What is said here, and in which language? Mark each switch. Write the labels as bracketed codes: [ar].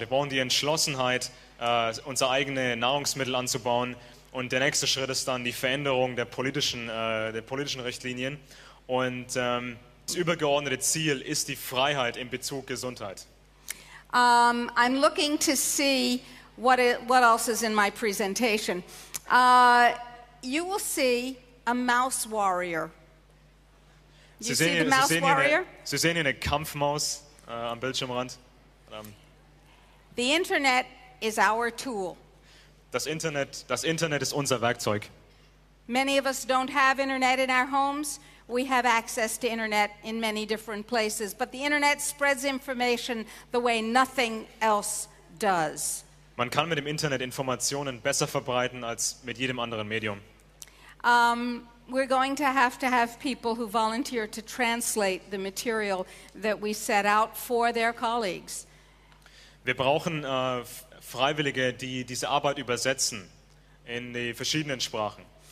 [de] Wir brauchen die Entschlossenheit, unsere eigene Nahrungsmittel anzubauen. Und der nächste Schritt ist dann die Veränderung der politischen Richtlinien. Und das übergeordnete Ziel ist die Freiheit in Bezug auf Gesundheit. [en] I'm looking to see what else is in my presentation. You will see a mouse warrior. [de] Sie sehen hier eine Kampfmaus am Bildschirmrand. [en] The Internet is our tool. [de] Das Internet ist unser Werkzeug. [en] Many of us don't have internet in our homes. We have access to internet in many different places, but the internet spreads information the way nothing else does. [de] Man kann mit dem Internet Informationen besser verbreiten als mit jedem anderen Medium. [en] We're going to have people who volunteer to translate the material that we set out for their colleagues. [de] Wir brauchen Freiwillige, die diese Arbeit übersetzen in die verschiedenen Sprachen.